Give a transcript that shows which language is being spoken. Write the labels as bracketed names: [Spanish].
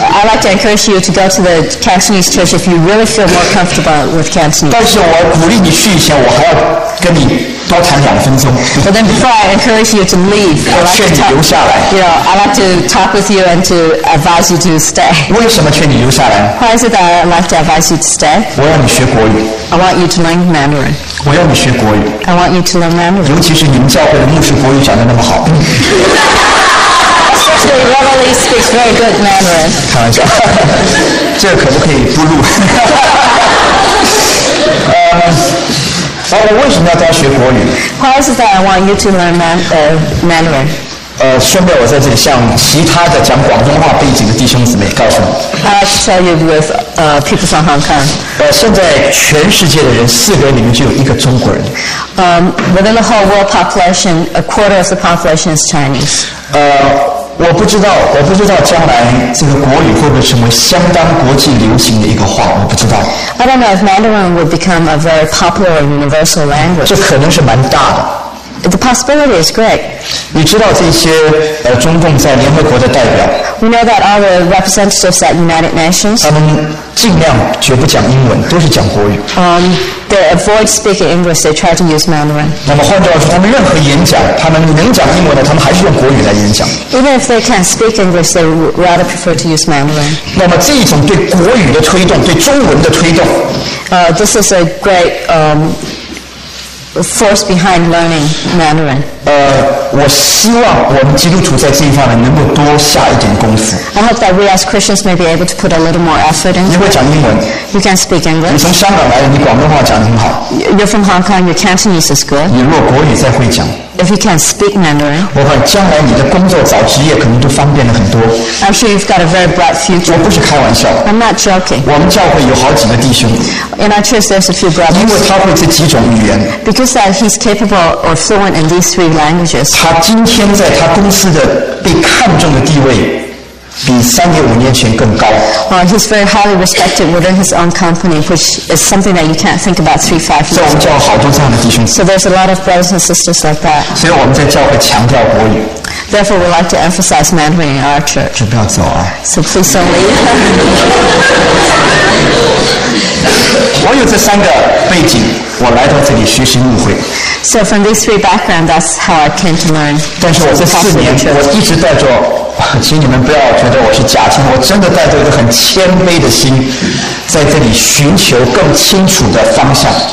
[English] I'd like to encourage you to go to the Cantonese church if you really feel more comfortable with Cantonese. [Chinese] 但是我鼓励你去以前，我还要跟你多谈两分钟。 [English] But then before I encourage you to leave, I'd like to talk. [Chinese] 留下来。 [English] You know, I'd like to talk with you and to advise you to stay. [Chinese] 为什么劝你留下来 [English] ？Why is it that I'd like to advise you to stay? [Chinese] 我要你学国语。 [English] I want you to learn Mandarin. [Chinese] 我要你学国语。 [English] I want you to learn Mandarin. [Chinese] 尤其是你们教会的牧师国语讲得那么好。 [English] Especially Reverend Lee speaks very good Mandarin. [Chinese] 开玩笑，这可不可以不录？我为什么要教学国语 [English] ？Why is that I want you to learn Mandarin？ [Chinese] 顺便我在这里向其他的讲广东话背景的弟兄姊妹告诉你。 [English] I like to tell you with people from Hong Kong。 [Chinese] 现在全世界的人四个里面就有一个中国人。 [English] Within the whole world population, a quarter of the population is Chinese。 [Chinese] 我不知道将来这个国语会不会成为相当国际流行的一个话，我不知道。 [English] I don't know if Mandarin would become a very popular universal language. [Chinese] 这可能是蛮大的。 [English] The possibility is great. [Chinese] 你知道这些中共在联合国的代表 [English] ？We know that all the representatives at United Nations. [Chinese] 他们尽量绝不讲英文，都是讲国语。 [English] They avoid speaking English. They try to use Mandarin. [Chinese] 那么换句话说，他们任何演讲，他们能讲英文的，他们还是用国语来演讲。 [English] Even if they can't speak English, they would rather prefer to use Mandarin. [Chinese] 那么这种对国语的推动，对中文的推动 [English] ，this is a great force behind learning Mandarin. [Chinese] 我希望我们基督徒在这一方面能够多下一点功夫。 [English] I hope that we as Christians may be able to put a little more effort in. [Chinese] 你会讲英文 [English] ？You can speak English. [Chinese] 你从香港来的，你广东话讲得很好。 [English] You're from Hong Kong. Your Cantonese is good. [Chinese] 你如果国语再会讲 [English] ，If you can speak Mandarin， [Chinese] 我看将来你的工作找职业可能都方便了很多。 [English] I'm sure you've got a very bright future. [Chinese] 我不是开玩笑。 [English] I'm not joking. [Chinese] 我们教会有好几个弟兄。 [English] In our church, there's a few brothers. [Chinese] 因为他会这几种语言。 [English] Because that he's capable or fluent in these three languages. [Chinese] 他今天在他公司的被看重的地位比三年五年前更高。 [English] He's very highly respected within his own company, which is something that you can't think about 3-5 years. [Chinese] 在我们教会好多这样的弟兄。 [English] So there's a lot of brothers and sisters like that. [Chinese] 所以我们在教会强调国语。 [English] Therefore, we like to emphasize Mandarin in our church. [Chinese] 就不要走啊。 [English] So please don't leave. [Chinese] 我有这三个背景，我来到这里学习牧会。 [English] So from these three backgrounds, that's how I came to learn. [Chinese] 但是我这四年，我一直带着，请你们不要觉得我是假谦，我真的带着一个很谦卑的心，在这里寻求更清楚的方向。